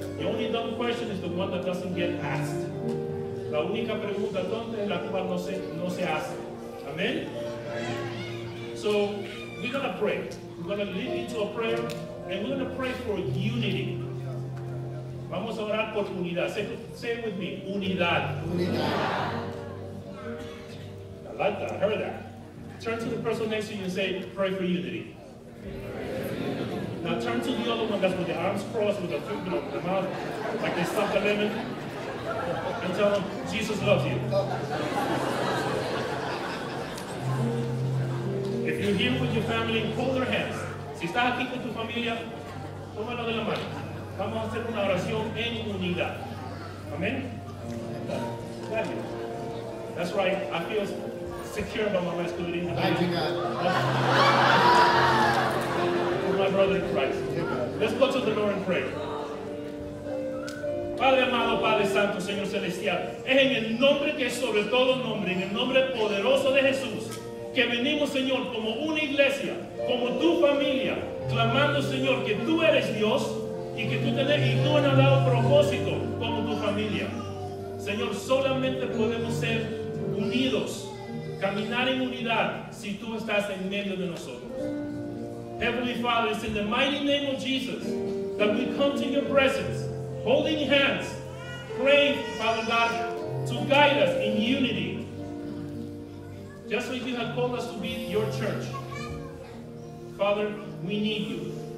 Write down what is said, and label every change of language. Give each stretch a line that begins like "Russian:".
English: The only dumb question is the one that doesn't get asked.
Spanish: La única pregunta tonta es la cual no se hace.
English: Amen? So, we're going to pray. We're going to lead into a prayer, and we're going to pray for unity.
Spanish: Vamos a orar por unidad.
English: Say it with me.
Spanish: Unidad. Unidad.
English: I like that. I heard that. Turn to the person next to you and say, pray for unity. Now turn to the other one that's with the arms crossed, with the foot, you know, the mouth, like they stuck a lemon, and tell them, Jesus loves you. If you're here with your family, hold their hands.
Spanish: Si estás aquí con tu familia, tómalo de la mano. Vamos a hacer una oración en unidad. Amen? Gracias.
English: That's right. I feel secure about my masculinity. Thank you, God. For my brother in Christ. Let's go to the Lord and pray.
Spanish: Padre amado, Padre Santo, Señor Celestial, es en el nombre que es sobre todo nombre, en el nombre poderoso de Jesús, que venimos, Señor, como una iglesia, como tu familia, clamando, Señor, que tú eres Dios y que tú tenés y tú has dado propósito como tu familia. Señor, solamente podemos ser unidos, caminar en unidad, si tú estás en medio de nosotros.
English: Heavenly Father, it's in the mighty name of Jesus that we come to your presence, holding hands, praying, Father God, to guide us in unity. Just like you have called us to be your church. Father, we need you.